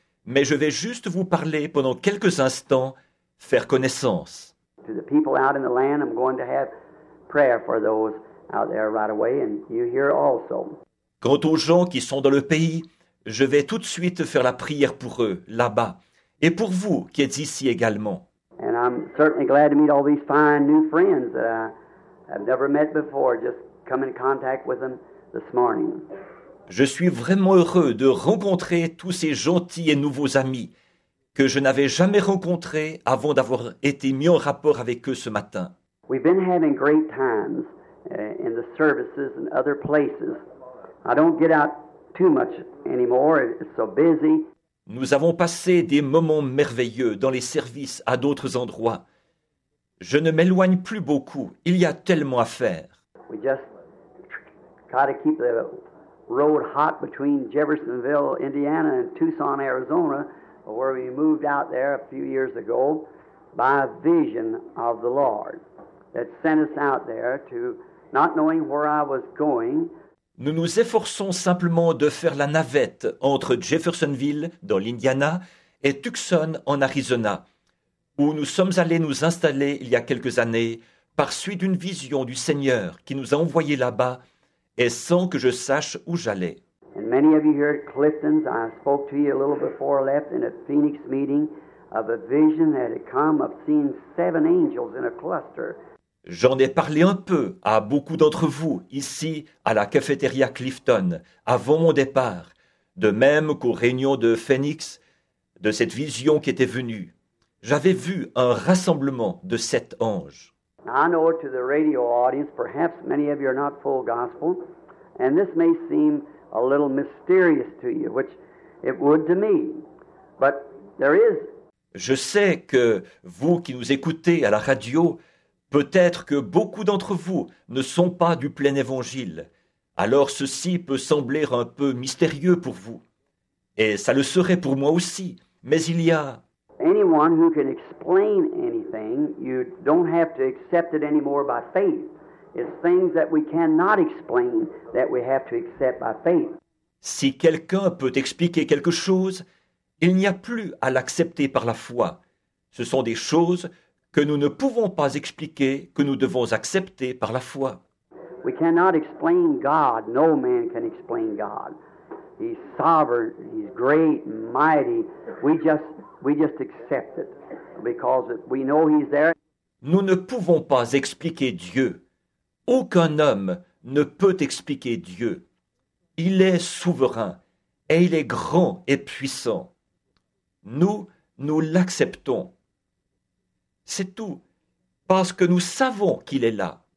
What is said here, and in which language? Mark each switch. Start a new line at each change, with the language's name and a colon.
French: Mais je vais juste vous parler pendant quelques instants, faire connaissance.
English: To the people out in the land, I'm going to have prayer for those out there right away, and you here also.
French: Quant aux gens qui sont dans le pays, je vais tout de suite faire la prière pour eux, là-bas, et pour vous qui êtes ici également.
English: And I'm certainly glad to meet all these fine new friends that I have never met before, just come in contact with them this morning.
French: Je suis vraiment heureux de rencontrer tous ces gentils et nouveaux amis que je n'avais jamais rencontrés avant d'avoir été mis en rapport avec eux ce matin.
English: We've been having great times in the services and other places. I don't get out too much anymore, it's so busy.
French: Nous avons passé des moments merveilleux dans les services à d'autres endroits. Je ne m'éloigne plus beaucoup. Il y a tellement à faire.
English: We just try to keep the road hot between Jeffersonville, Indiana, and Tucson, Arizona, where we moved out there a few years ago by a vision of the Lord that sent us out there to not knowing where I was going.
French: Nous nous efforçons simplement de faire la navette entre Jeffersonville, dans l'Indiana, et Tucson, en Arizona, où nous sommes allés nous installer il y a quelques années par suite d'une vision du Seigneur qui nous a envoyés là-bas et sans que je sache où j'allais.
English: And many of you here at Clifton's, I spoke to you a little before I left in a Phoenix meeting of a vision that had come of seeing seven angels in a cluster.
French: J'en ai parlé un peu à beaucoup d'entre vous ici à la cafétéria Clifton avant mon départ, de même qu'aux réunions de Phoenix, de cette vision qui était venue. J'avais vu un rassemblement de sept anges.
English: I know to the radio audience, perhaps many of you are not full gospel, and this may seem a little mysterious to you, which it would to me, but there is.
French: Je sais que vous qui nous écoutez à la radio, peut-être que beaucoup d'entre vous ne sont pas du plein évangile. Alors ceci peut sembler un peu mystérieux pour vous. Et ça le serait pour moi aussi. Mais il y a...
English: Anyone who can explain anything, you don't have to accept it anymore by faith. It's things that we cannot explain that we have to accept by faith.
French: Si quelqu'un peut expliquer quelque chose, il n'y a plus à l'accepter par la foi. Ce sont des choses que nous ne pouvons pas expliquer, que nous devons accepter par la foi.
English: We cannot explain God. No man can explain God. He's sovereign, he's great, mighty. We just accept it because we know he's there.
French: Nous ne pouvons pas expliquer Dieu. Aucun homme ne peut expliquer Dieu. Il est souverain et il est grand et puissant. Nous l'acceptons. C'est tout, parce que nous savons qu'il est là.